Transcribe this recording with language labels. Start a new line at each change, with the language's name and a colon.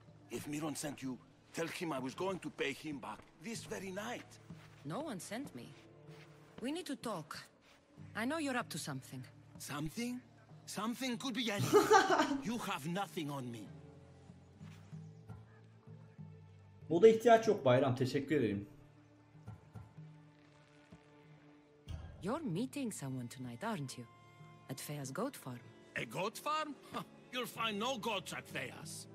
English: If Miron sent you, tell him I was going to pay him back this very night. No one sent me. We need to talk. I know you're up to something. Something? Something could be anything. You have nothing on me.
Turkish: Moda ihtiyaç yok Bayram, teşekkür ederim.
English: You're meeting someone tonight, aren't you? At Feya's goat farm. A goat farm? Huh. You'll find no goats at Feya's.